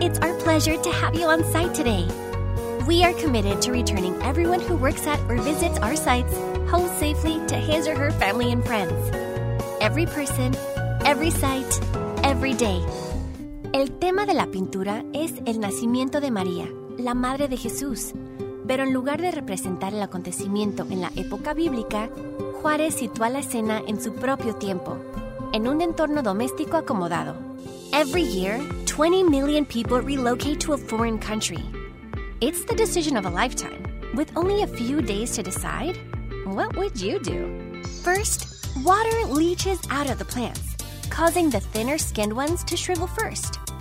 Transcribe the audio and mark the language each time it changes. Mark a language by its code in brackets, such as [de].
[en] It's our pleasure to have you on site today. We are committed to returning everyone who works at or visits our sites home safely to his or her family and friends. Every person, every site, every day. [es] El tema de la pintura es el nacimiento de María, la madre de Jesús. Pero en lugar de representar el acontecimiento en la época bíblica, Juárez sitúa la escena en su propio tiempo, en un entorno doméstico acomodado. [en] Every year, 20 million people relocate to a foreign country. It's the decision of a lifetime, with only a few days to decide. What would you do? First, water leaches out of the plants, causing the thinner-skinned ones to shrivel first.